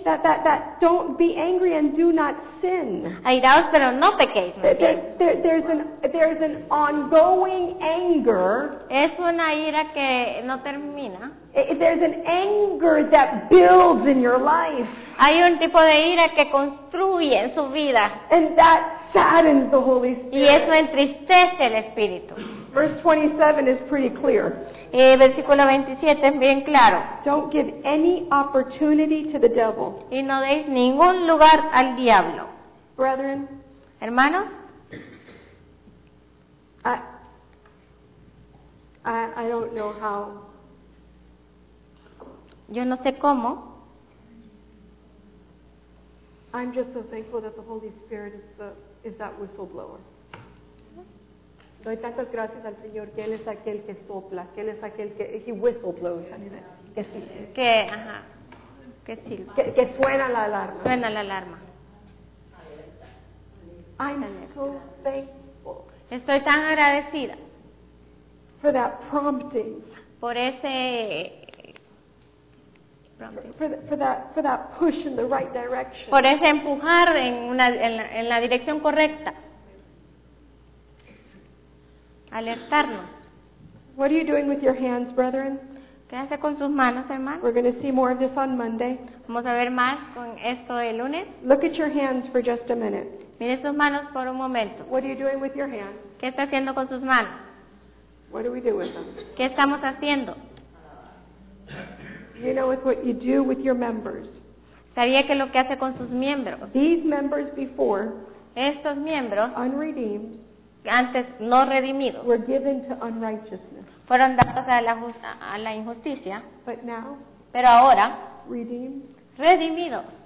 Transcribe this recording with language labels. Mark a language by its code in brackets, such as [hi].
[en] That don't be angry and do not sin. [es] Airaos, pero no pequéis. [en] There's an ongoing anger. [es] Es una ira que no termina. [en] There's an anger that builds in your life. [es] Hay un tipo de ira que construye en su vida. [en] And that saddens the Holy Spirit. [es] Y eso entristece el Espíritu. [en] Verse 27 is pretty clear. [es] Versículo 27 es bien claro. [en] Don't give any opportunity to the devil. [es] Y no deis ningún lugar al diablo. [en] Brethren. [es] Hermanos. [en] I don't know how. [es] Yo no sé cómo. [en] I'm just so thankful that the Holy Spirit is that whistleblower. [es] Doy tantas gracias al Señor que Él es aquel que sopla, que Él es aquel que [en] he whistleblows. [es] Que sí. Que suena la alarma. Suena la alarma. [en] I'm so thankful. [es] Estoy tan agradecida. [en] For that prompting. [es] Por ese prompting. [en] For that push in the right direction. [es] Por ese empujar en la dirección correcta. Alertarnos. [en] What are you doing with your hands, brethren? [es] ¿Qué hace con sus manos, hermano? [en] We're going to see more of this on Monday. [es] Vamos a ver más con esto el lunes. [en] Look at your hands for just a minute. [es] Mire sus manos por un momento. [en] What are you doing with your hands? [es] ¿Qué está haciendo con sus manos? [en] What do we do with them? [es] ¿Qué estamos haciendo? [en] You know it's what you do with your members. [es] ¿Sabía que lo que hace con sus miembros? [en] These members before. [es] Estos miembros. [en] Unredeemed. [es] Antes no redimidos. [en] Were given to unrighteousness. [es] Fueron dados a la injusticia. [en] But now. [es] Pero ahora. [en] Redeemed. [es] Redimidos.